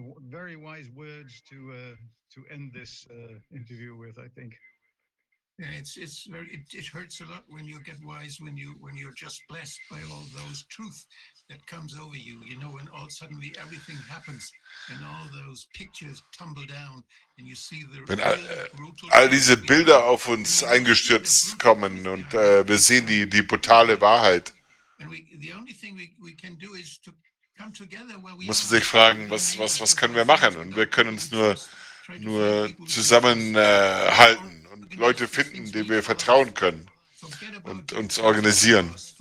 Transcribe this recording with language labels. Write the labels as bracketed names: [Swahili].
[English] Very wise words to end this interview with, I think. Yeah, it's very, it hurts a lot when you get wise, when you're just blessed by all those truth that comes over you, you know, when all suddenly everything happens and all those pictures tumble down and you see the [German] wenn all diese Bilder auf uns eingestürzt kommen und wir sehen die brutale Wahrheit. [English] And the only thing we can do is to [German] muss man sich fragen, was können wir machen? Und wir können uns nur zusammenhalten und Leute finden, denen wir vertrauen können und uns organisieren.